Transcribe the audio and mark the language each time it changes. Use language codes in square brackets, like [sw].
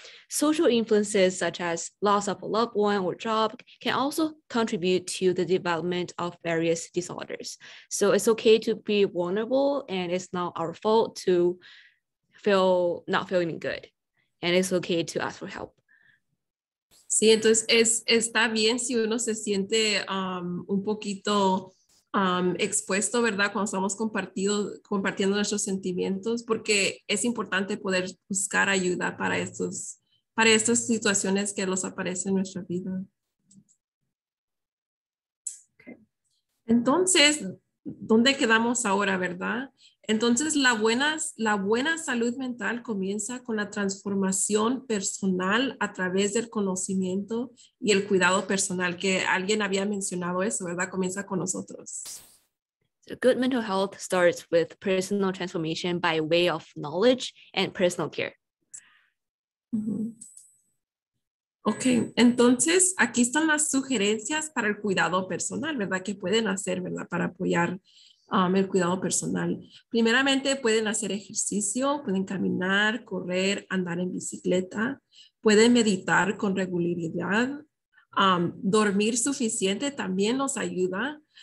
[en] Social influences such as loss of a loved one or job can also contribute to the development of various disorders. So it's okay to be vulnerable and it's not our fault to feel not feeling good. And it's okay to ask for help. [es] Sí, entonces está bien si uno se siente un poquito expuesto, ¿verdad? Cuando estamos compartiendo nuestros sentimientos, porque es importante poder buscar ayuda para estas situaciones que nos aparecen en nuestra vida. Entonces, ¿dónde quedamos ahora, verdad? Entonces, la buena salud mental comienza con la transformación personal a través del conocimiento y el cuidado personal, que alguien había mencionado eso, ¿verdad? Comienza con nosotros. [en] So good mental health starts with personal transformation by way of knowledge and personal care. [es] Ok, entonces aquí están las sugerencias para el cuidado personal, ¿verdad? Que pueden hacer, ¿verdad? Para apoyar el cuidado personal. Primeramente pueden hacer ejercicio, pueden caminar, correr, andar en bicicleta, pueden meditar con regularidad, dormir suficiente también nos ayuda.